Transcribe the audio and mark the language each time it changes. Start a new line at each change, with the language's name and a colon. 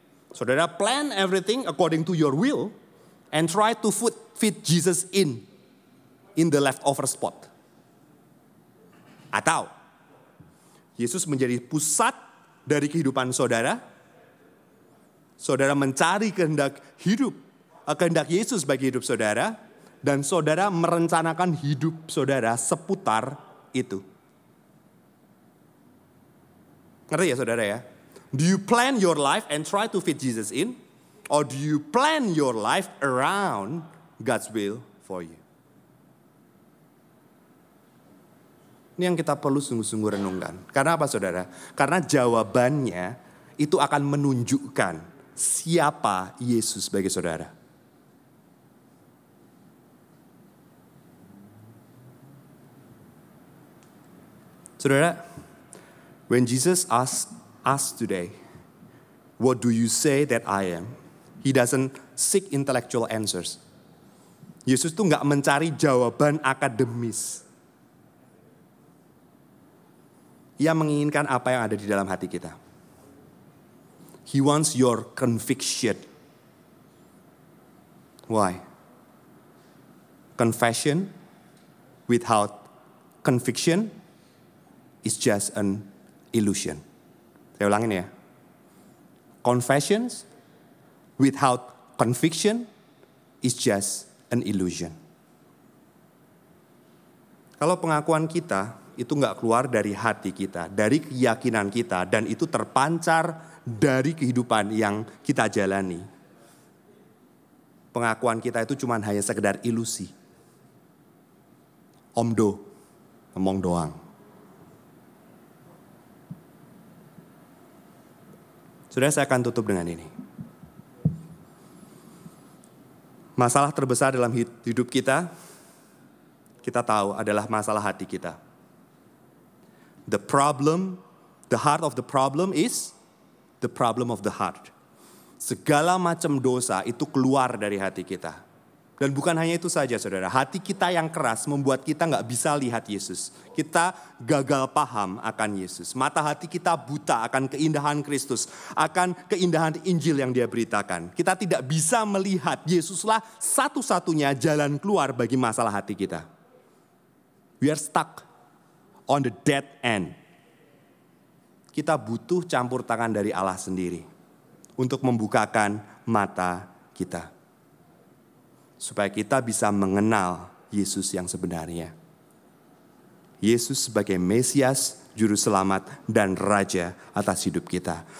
English: Saudara plan everything according to your will and try to fit Jesus in the leftover spot.
Indonesian: Atau Yesus menjadi pusat dari kehidupan saudara. Saudara mencari kehendak Yesus bagi hidup saudara, dan saudara merencanakan hidup saudara seputar itu. Ngerti ya saudara ya?
English: Do you plan your life and try to fit Jesus in? Or do you plan your life around God's will for you?
Indonesian: Ini yang kita perlu sungguh-sungguh renungkan. Karena apa saudara? Karena jawabannya itu akan menunjukkan siapa Yesus bagi saudara.
English: Saudara, when Jesus asked us today, what do you say that I am? He doesn't seek intellectual answers.
Indonesian: Yesus tuh gak mencari jawaban akademis. Ia menginginkan apa yang ada di dalam hati kita.
English: He wants your conviction. Why? Confession without conviction is just an illusion.
Indonesian: Saya ulangin ya.
English: Confessions without conviction is just an illusion.
Indonesian: Kalau pengakuan kita itu gak keluar dari hati kita, dari keyakinan kita, dan itu terpancar dari kehidupan yang kita jalani, pengakuan kita itu cuma hanya sekedar ilusi. Omdo, ngomong doang. Sudah, saya akan tutup dengan ini. Masalah terbesar dalam hidup kita tahu adalah masalah hati kita.
English: The problem, the heart of the problem is the problem of the heart.
Indonesian: Segala macam dosa itu keluar dari hati kita. Dan bukan hanya itu saja saudara, hati kita yang keras membuat kita gak bisa lihat Yesus. Kita gagal paham akan Yesus. Mata hati kita buta akan keindahan Kristus, akan keindahan Injil yang dia beritakan. Kita tidak bisa melihat Yesuslah satu-satunya jalan keluar bagi masalah hati kita.
English: We are stuck on the dead end.
Indonesian: Kita butuh campur tangan dari Allah sendiri untuk membukakan mata kita. supaya kita bisa mengenal Yesus yang sebenarnya. Yesus sebagai Mesias, Juru Selamat, dan Raja atas hidup kita.